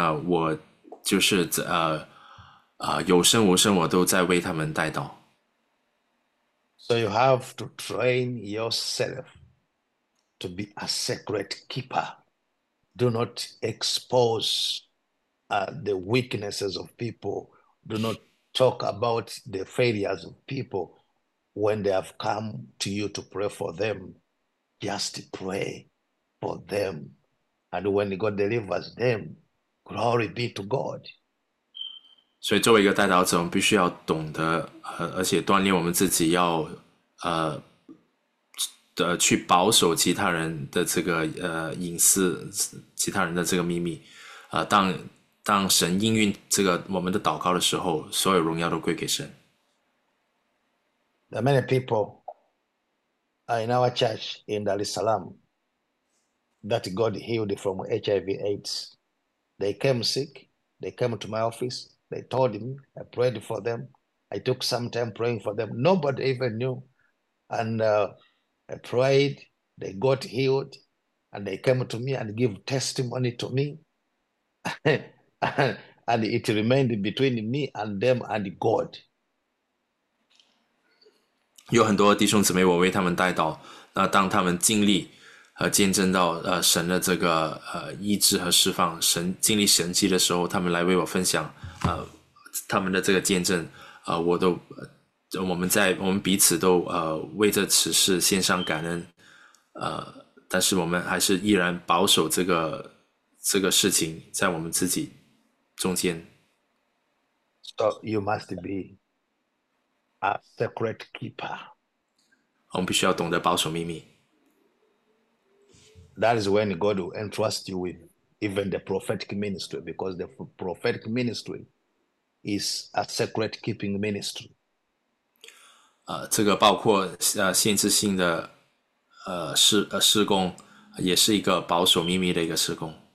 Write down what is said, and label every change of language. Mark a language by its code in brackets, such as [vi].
[zh] 那我就是有声无声我都在为他们代祷。 [en] So you have to train yourself to be a secret keeper. Do not expose the weaknesses of people. Do not talk about the failures of people when they have come to you to pray for them. Just pray for them. And when God delivers them, glory be to God. [zh] 所以，作为一个代祷者，我们必须要懂得，而且锻炼我们自己要，去保守其他人的这个隐私，其他人的这个秘密。当神应允这个我们的祷告的时候，所有荣耀都归给神。 [en] There are many people in our church in Dar es Salaam that God healed from HIV/AIDS. They came sick. They came to my office. They told me. I prayed for them. I took some time praying for them. Nobody even knew. And I prayed. They got healed. And they came to me and give testimony to me. And it remained between me and them and God. [zh] 有很多弟兄姊妹，我为他们代祷。那当他们经历和见证到神的这个医治和释放，神经历神迹的时候，他们来为我分享他们的这个见证，我都我们在我们彼此都为这此事献上感恩，但是我们还是依然保守这个事情在我们自己中间。 [en] So you must be a secret keeper. [zh] 我们必须要懂得保守秘密。 [en] That is when God will entrust you with even the prophetic ministry, because the prophetic ministry is a secret keeping ministry. [zh] 这个包括限制性的事工，也是一个保守秘密的一个事工。